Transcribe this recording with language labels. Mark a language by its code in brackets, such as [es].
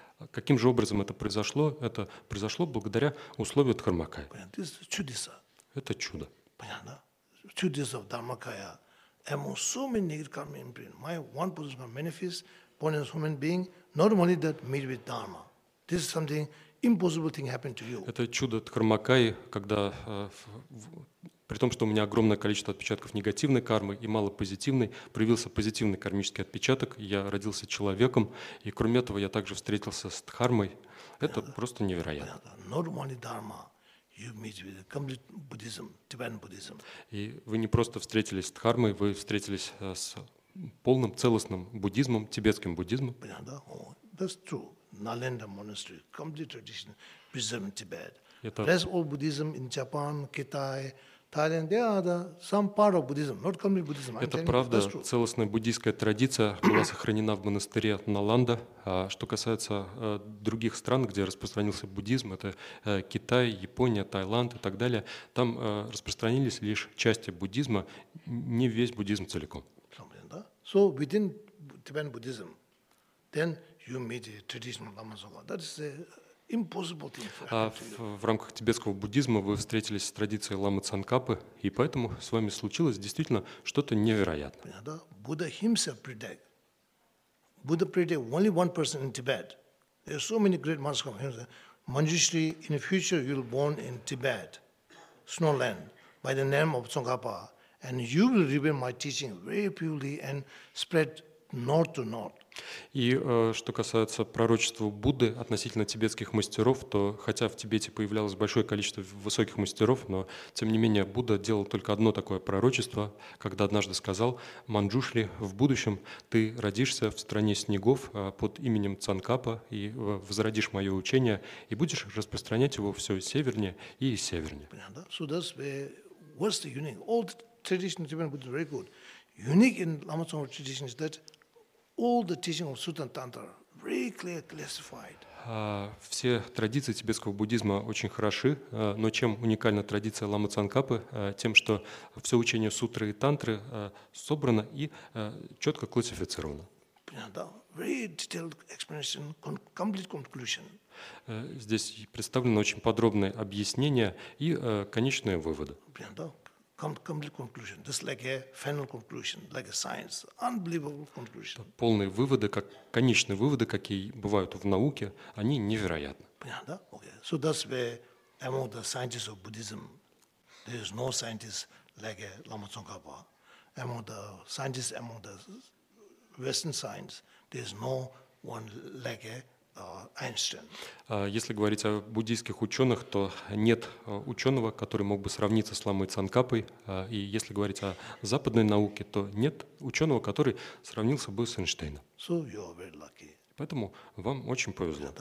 [ru] Каким же образом это произошло? Это произошло благодаря условию Дхармакая. Понятно. [en] This is [ru] чудеса. Это чудо. Понятно. Чудеса в Дхармакая. [en] Among so many negative karma imprint, my one position manifests, born as human being, not only that, meet with Dharma. This is something impossible thing happened to you. [ru] Это чудо Дхармакаи, когда при том, что у меня огромное количество отпечатков негативной кармы и мало позитивной, проявился позитивный кармический отпечаток, я родился человеком, и кроме этого я также встретился с Дхармой. Это просто невероятно. [en] Normally Dharma, you meet with complete Buddhism, Tibetan Buddhism. [ru] И вы не просто встретились с Дхармой, вы встретились с полным, целостным буддизмом, тибетским буддизмом. [en] That's true. Nalanda Monastery, complete tradition, Buddhism in Tibet. Rest of Buddhism in Japan, Китай, Thailand, they are the some part of Buddhism, not complete Buddhism. [ru] Это правда, целостная буддийская традиция была сохранена в монастыре Наланда. Что касается других стран, где распространился буддизм, это Китай, Япония, Таиланд и так далее, там распространились лишь части буддизма, не весь буддизм целиком. [en] So within Tibetan Buddhism, then you meet the traditional lamas. That is impossible thing. [ru] В рамках тибетского буддизма вы встретились с традицией ламы Цанкапы, и поэтому с вами случилось действительно что-то невероятное. [en] Buddha himself predicted. Buddha predicted only one person in Tibet. There are so many great masters. Manjushri, in the future you will born in Tibet, snowland, by the name of Tsongkhapa, and you will reveal my teaching very purely and spread north to north. [ru] И что касается пророчества Будды относительно тибетских мастеров, то хотя в Тибете появлялось большое количество высоких мастеров, но тем не менее Будда делал только одно такое пророчество, когда однажды сказал: «Манджушри, в будущем ты родишься в стране снегов под именем Цанкапа и возродишь мое учение и будешь распространять его все севернее и севернее». [en] So that's where, what's the unique? All the traditional Tibetan Buddha is very good. Unique in Lama Tsongkhapa tradition is that all the teaching of Sutta and Tantra very clear classified. [ru] Все традиции тибетского буддизма очень хороши, но чем уникальна традиция Лама Цанкапы, тем, что все учение сутры и тантры собрано и четко классифицировано. [en] Very detailed explanation, complete conclusion. [ru] Здесь представлено очень подробное объяснение и конечные выводы. [en] Complete conclusion. This like a final conclusion, like a science. Unbelievable conclusion. [ru] Полные выводы, как конечные выводы, какие бывают в науке, они невероятны. Понятно, да? Okay. [en] So that's where among the scientists of Buddhism, there is no scientist like a Lama Tsongkhapa. Among the scientists among the Western science, there is no one like a Einstein. [ru] Если говорить о буддийских ученых, то нет ученого, который мог бы сравниться с Ламой Цанкапой. И если говорить о западной науке, то нет ученого, который сравнился бы с Эйнштейном. [en] So you are very lucky. [ru] Поэтому вам очень повезло.